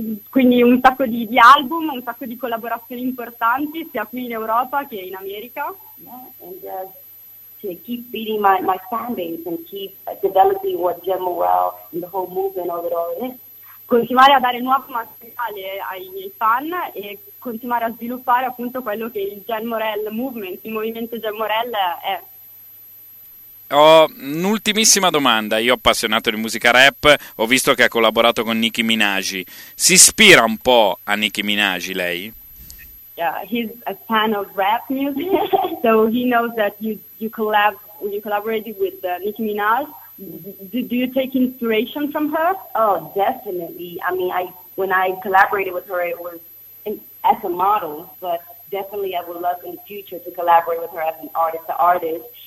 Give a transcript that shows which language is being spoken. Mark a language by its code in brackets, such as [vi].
[it] Quindi un sacco di album, un sacco di collaborazioni importanti sia qui in Europa che in America. [en] Yeah, and to keep feeding my fan base and keep developing what Gem Morrell and the whole movement of it all is. [it] Continuare a dare nuovo materiale ai miei fan e continuare a sviluppare appunto quello che il Gem Morrell Movement, il movimento Gem Morrell è. Ho un'ultimissima domanda. Io, appassionato di musica rap, ho visto che ha collaborato con Nicki Minaj. Si ispira un po' a Nicki Minaj lei? [en] Yeah, he's a fan of rap music, so he knows that you collaborated with Nicki Minaj. Do you take inspiration from her? Oh, definitely. I mean, when I collaborated with her, it was as a model, but definitely I would love in the future to collaborate with her as an artist.